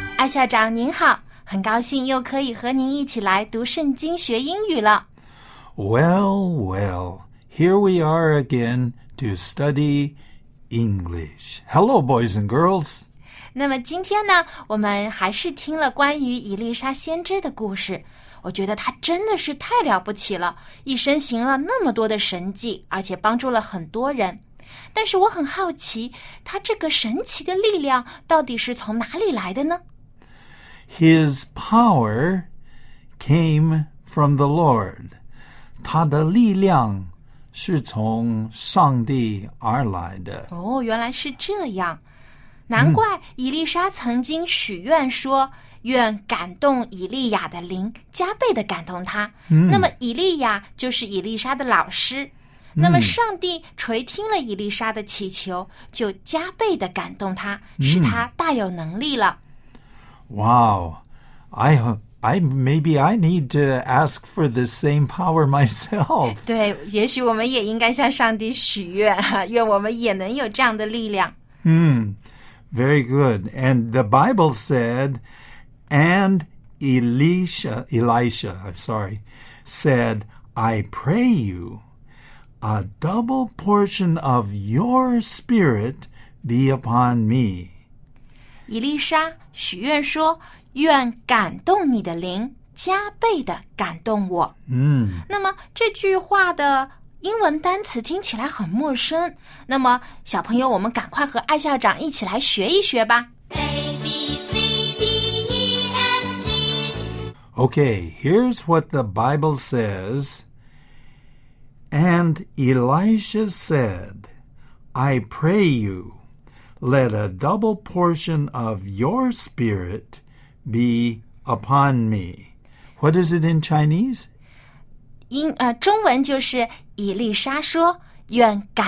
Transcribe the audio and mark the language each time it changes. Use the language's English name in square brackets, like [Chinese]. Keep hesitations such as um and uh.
[Chinese] 校长您好，很高兴又可以和您一起来读圣经、学英语了。 [English] Well, well, here we are again to study English. Hello, boys and girls. [Chinese] 那么今天呢，我们还是听了关于伊丽莎先知的故事。我觉得他真的是太了不起了，一生行了那么多的神迹，而且帮助了很多人。但是我很好奇，他这个神奇的力量到底是从哪里来的呢？ [English] his power came from the Lord. [Chinese] 他的力量是从上帝而来的。哦，原来是这样，难怪伊丽莎曾经许愿说。嗯愿感动以利亚的灵加倍的感动他。嗯、那么以利亚就是以丽莎的老师。嗯、那么上帝垂听了以丽莎的祈求，就加倍的感动他，使他大有能力了。嗯、 [English] Wow. I I maybe I need to ask for the same power myself. [Chinese] 对，也许我们也应该向上帝许愿，愿我们也能有这样的力量。 [English] Hmm, very good. And the Bible said, and Elisha, Elisha, I'm sorry, said, "I pray you, a double portion of your spirit be upon me." [Chinese] 伊丽莎许愿说：“愿感动你的灵加倍的感动我。 ”嗯，那么这句话的英文单词听起来很陌生。那么小朋友，我们赶快和艾校长一起来学一学吧。 [English] Okay, here's what the Bible says. And Elisha said, I pray you let a double portion of your spirit be upon me. What is it in Chinese? [Chinese] 英,呃,中文就是,以丽莎说, uh,